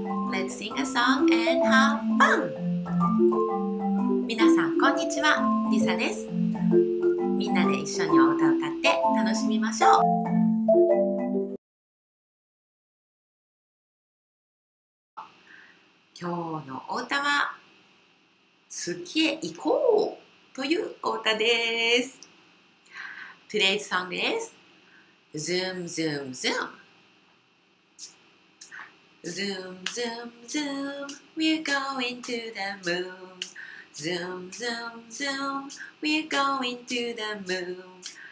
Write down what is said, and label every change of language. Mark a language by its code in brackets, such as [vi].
[en] Let's sing a song and have fun! [ja] 皆さん、こんにちは。Lisa です。みんなで一緒にお歌を歌って楽しみましょう。今日のお歌は、月へ行こうというお歌です。 [en] Today's song is Zoom, Zoom, Zoom. Zoom, zoom, zoom, we're going to the moon. Zoom, zoom, zoom, we're going to the moon.